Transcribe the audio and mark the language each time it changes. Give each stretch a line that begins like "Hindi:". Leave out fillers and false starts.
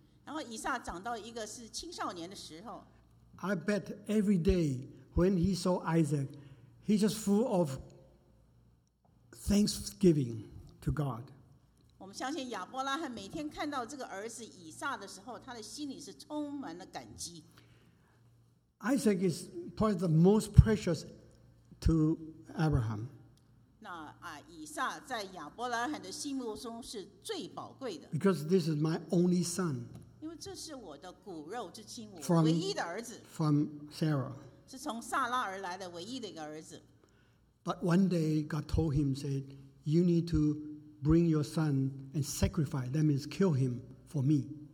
Chinese: 然后以撒长到一个是青少年的时候。
English: I bet every day when he saw Isaac, he just full of thanksgiving to God.
Chinese: 我们相信亚伯拉罕每天看到这个儿子以撒的时候，他的心里是充满了感激。
English: Isaac is probably the most precious to Abraham.
Chinese: 那以撒在亚伯拉罕的心目中是最宝贵的。
English: Because this is my only son.
Chinese: 因为这是我的骨肉之亲，我唯一的儿子。
English: From Sarah.
Chinese: 是从撒拉而来的唯一的一个儿子。
English: But one day God told him, said, "You need to bring your son and sacrifice. That means kill him for me."